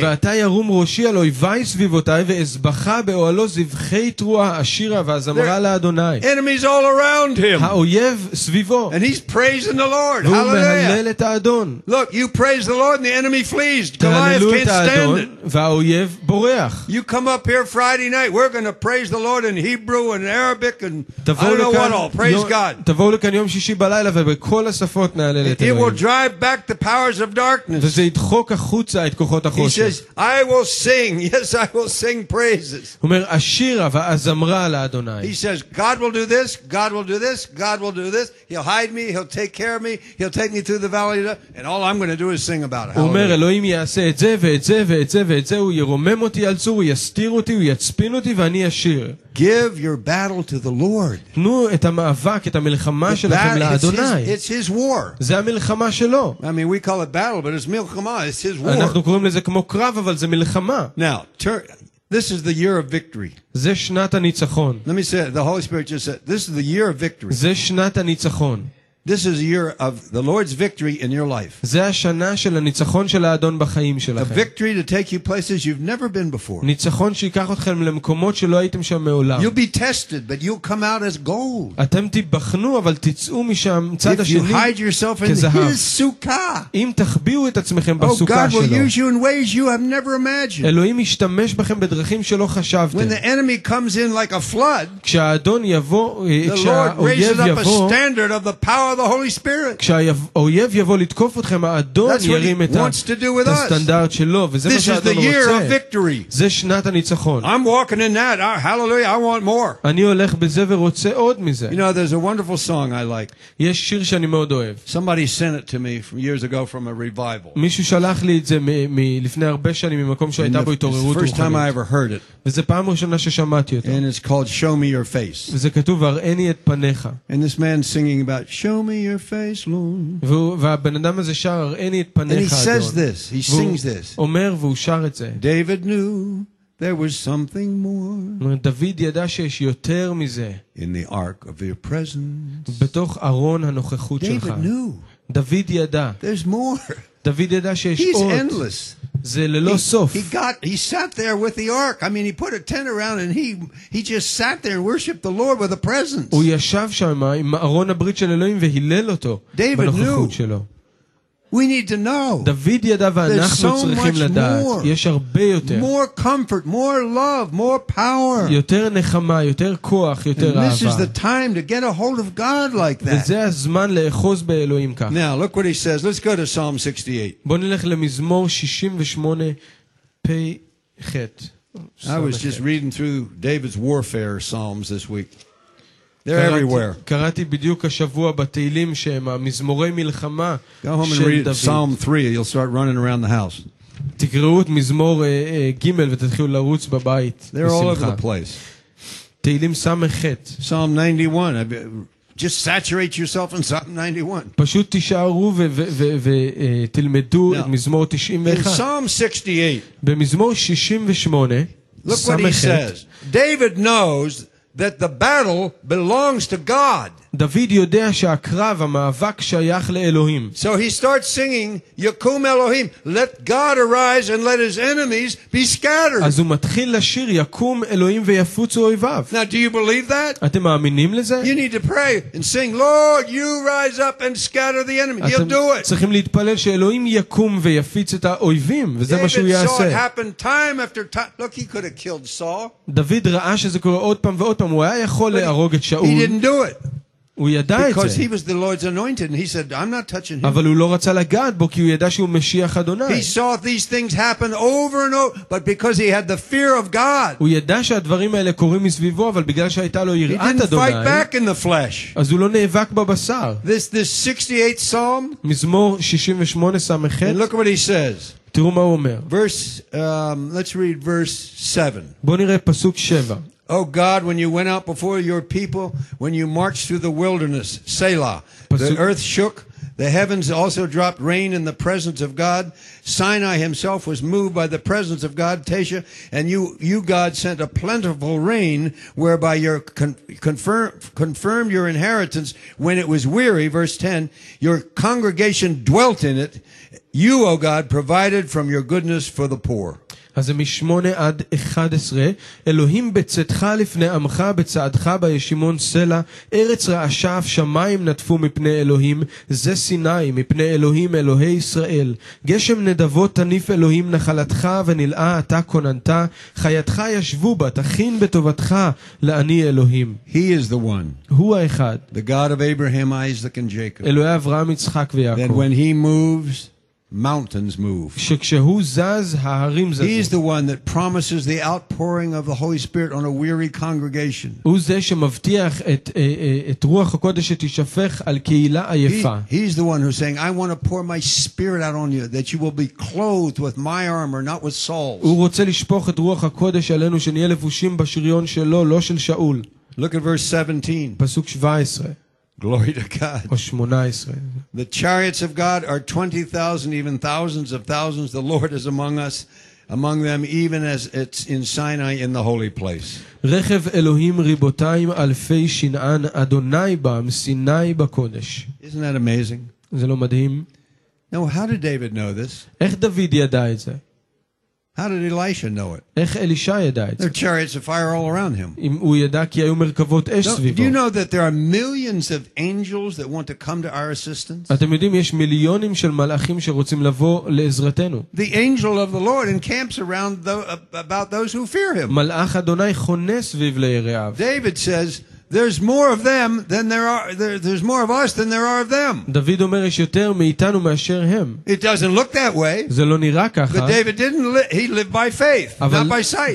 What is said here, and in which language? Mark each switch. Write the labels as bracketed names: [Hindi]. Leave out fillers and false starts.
[English] Enemies all around him. And he's praising the Lord, hallelujah. Look, you praise the Lord and the enemy flees. Goliath can't stand it. [Hebrew] והאויב בורח. [English] You come up here Friday night, we're going to praise the Lord in Hebrew and Arabic and I don't know what all. Praise God. [Hebrew] תבואו לכאן יום שישי בלילה ובכל השפות נהלל את אלוהים. [English] He will drive back the powers of darkness. [Hebrew] וזה ידחוק החוצה את כוחות החושך. [English] He says, I will sing. Yes, I will sing praises. [Hebrew] הוא אומר, אשירה ואזמרה לאדוני. [English] He says, God will do this, God will do this, God will do this. He'll hide me, he'll take care of me, he'll take me through the valley and all I'm going to do is sing about it. [Hebrew] הוא אומר, אלוהים יעשה את זה ואת זה ואת זה ואת זה, הוא ירומם אותי על צור, הוא יסתיר אותי, הוא יצפין אותי ואני אשיר. [English] Give your battle to the Lord. [Hebrew] תנו את המאבק, את המלחמה שלכם לאדוני. [English] It's his war. [Hebrew] זה המלחמה שלו. [English] I mean, we call it battle, but it's milchama, it's his war. [Hebrew] אנחנו קוראים לזה כמו קרב, אבל זה מלחמה. [English] Now, this is the year of victory. [Hebrew] זה שנת הניצחון. [English] Let me say, the Holy Spirit just said, this is the year of victory. [Hebrew] זה שנת הניצחון. [English] This is a year of the Lord's victory in your life. [Hebrew] זה השנה של הניצחון של האדון בחיים שלכם. [English] A victory to take you places you've never been before. [Hebrew] ניצחון שיקח אתכם למקומות שלא הייתם שם מעולם. [English] You'll be tested, but you'll come out as gold. [Hebrew] אתם תיבחנו, אבל תצאו משם צד השני כזהב. [English] If you hide yourself in his sukkah. [Hebrew] אם תחביאו את עצמכם בסוכה שלו. [English] Oh, God will use you in ways you have never imagined. [Hebrew] אלוהים ישתמש בכם בדרכים שלא חשבתם. [English] When the enemy comes in like a flood, [Hebrew] כשהאדון יבוא, כשהאויב יבוא, [English] the Lord raises up a standard of the power the Holy Spirit. [Hebrew] כשהאויב יבוא לתקוף אתכם, האדון ירים את הסטנדרט שלו, וזה מה שהאדון רוצה. זה שנת הניצחון. [English] I'm walking in that. Hallelujah, I want more. [Hebrew] אני הולך בזה ורוצה עוד מזה. [English] You know, there's a wonderful song I like. [Hebrew] יש שיר שאני מאוד אוהב. [English] Somebody sent it to me from years ago from a revival. [Hebrew] מישהו שלח לי את זה מלפני הרבה שנים ממקום שהייתה בו התעוררות רוחנית. [English] First time I ever heard it. [Hebrew] וזה פעם ראשונה ששמעתי אותו. [English] And it's called Show Me Your Face. [Hebrew] וזה כתוב, הראני את פניך. [English] And this man singing about show show me your face, Lord. [Hebrew] והבן אדם הזה שר, הראני את פניך, אדון. [English] And he says this, he sings this. [Hebrew] אומר והוא שר את זה. [English] David knew there was something more. [Hebrew] דוד ידע שיש יותר מזה. [English] In the ark of your presence. [Hebrew] בתוך ארון הנוכחות שלך. [English] David knew. [Hebrew] דוד ידע. [English] There's more. [Hebrew] דוד ידע שיש [English] He's [Hebrew] עוד. [English] He's endless. [Hebrew] זה ללא סוף. [English] He sat there with the ark. I mean, he put a tent around and he just sat there and worshiped the Lord with the presence. [Hebrew] הוא ישב שם עם ארון הברית של אלוהים והילל אותו בנוכחות שלו. [English] We need to know. [Hebrew] דוד ידע ואנחנו צריכים לדעת. יש הרבה יותר. [English] More comfort, more love, more power. [Hebrew] יותר נחמה, יותר כוח, יותר אהבה. [English] This is the time to get a hold of God like that. [Hebrew] וזה הזמן לאחוז באלוהים כך. [English] Now, look what he says. Let's go to Psalm 68. [Hebrew] בוא נלך למזמור 68 פ"ח. [English] I was just reading through David's warfare psalms this week. They're everywhere. [Hebrew] קראתי בדיוק השבוע בתהילים שהם מזמורי מלחמה של דוד. [English] Go home and read Psalm 3, you'll start running around the house. [Hebrew] תקראו את מזמור ג' ותתחילו לרוץ בבית. [English] They're all over the place. [Hebrew] תהילים סמך ח'. [English] Psalm 91, just saturate yourself in Psalm 91. [Hebrew] פשוט תישארו ותלמדו את מזמור 91. [English] In Psalm 68. [Hebrew] במזמור 68, סמך ח'. [English] Look what he says. David knows that the battle belongs to God. [Hebrew] David יודע שהקרב המאבק שייך לאלוהים. [English] So he starts singing, [Hebrew] "Yakum Elohim, [English] let God arise and let his enemies be scattered." [Hebrew] אז הוא מתחיל לשיר, "Yakum Elohim ויפוצו אויביו." [English] Now do you believe that? [Hebrew] אתם מאמינים לזה? [English] You need to pray and sing, "Lord, you rise up and scatter the enemy." You'll do it. [Hebrew] אתם צריכים להתפלל שאלוהים יקום ויפיץ את האויבים, וזה מה שהוא יעשה. [English] David saw it happen time after time. Look, he could have killed Saul. [Hebrew] דוד ראה שזה קורה עוד פעם ועוד פעם, הוא היה יכול להרוג את שאול. [English] He didn't do it. [Hebrew] הוא ידע את זה. [English] Because he was the Lord's anointed, and he said, "I'm not touching him." [Hebrew] אבל הוא לא רצה לגעת בו, כי הוא ידע שהוא משיח אדוני. [English] He saw these things happen over and over, but because he had the fear of God. [Hebrew] הוא ידע שהדברים האלה קורים מסביבו, אבל בגלל שהייתה לו יראת אדוני. [English] He didn't fight back in the flesh. [Hebrew] אז הוא לא נאבק בבשר. [English] This 68 Psalm. [Hebrew] מזמור 68 סמך ח'. [English] And look what he says. [Hebrew] תראו מה הוא אומר. [English] Let's read verse 7. [Hebrew] בוא נראה פסוק 7. [English] Oh God, when you went out before your people, when you marched through the wilderness, Selah, the earth shook, the heavens also dropped rain in the presence of God. Sinai himself was moved by the presence of God, Tasha, and you God sent a plentiful rain whereby you confirmed your inheritance when it was weary, verse 10. Your congregation dwelt in it. You, O God, provided from your goodness for the poor. [Hebrew] אז משמונה עד 11, אלוהים בצאתך לפני עמך, בצעדך בישימון סלע, ארץ רעשה, אף שמיים נטפו מפני אלוהים, זה סיני, מפני אלוהים, אלוהי ישראל. גשם נדבות תניף אלוהים נחלתך, ונלאה אתה כוננת, חייתך ישבו בה, תכין בטובתך לעני אלוהים. [English] He is the one. [Hebrew] הוא האחד. [English] The God of Abraham, Isaac, and Jacob. [Hebrew] אלוהי אברהם, יצחק ויעקב. [English] And when he moves, mountains move. [Hebrew] שכשהוא זז, ההרים זזים. [English] He is the one that promises the outpouring of the Holy Spirit on a weary congregation. [Hebrew] הוא זה שמבטיח את רוח הקודש שתשפך על קהילה עייפה. [English] He is the one who's saying, "I want to pour my spirit out on you that you will be clothed with my armor, not with Saul's." [Hebrew] הוא רוצה לשפוך את רוח הקודש עלינו שנהיה לבושים בשריון שלו, לא של שאול. [English] Look at verse 17. [Hebrew] פסוק 17. [English] Glory to God. 18. The chariots of God are 20,000, even thousands of thousands. The Lord is among us, among them, even as it's in Sinai, in the holy place. [Hebrew] רכב אלוהים ריבותיים אלפי שנען, אדוני בם, סיני בקודש. [English] Isn't that amazing? [Hebrew] זה לא מדהים? [English] Now, how did David know this? [Hebrew] איך דוד ידע את זה? [English] How did Elisha know it? [Hebrew] איך אלישע ידע את זה? [English] There are chariots of fire all around him. [Hebrew] הוא ידע כי היו מרכבות אש סביבו. [English] Do you know that there are millions of angels that want to come to our assistance? [Hebrew] אתם יודעים יש מיליונים של מלאכים שרוצים לבוא לעזרתנו. [English] The angel of the Lord encamps around about those who fear him. [Hebrew] מלאך אדוני חונה סביב ליראיו. [English] David says there's more of them than there's more of us than there are of them. [Hebrew] דוד אומר יש יותר מאיתנו מאשר הם. [English] It doesn't look that way. [Hebrew] זה לא נראה ככה. [English] But David didn't he lived by faith, not by sight.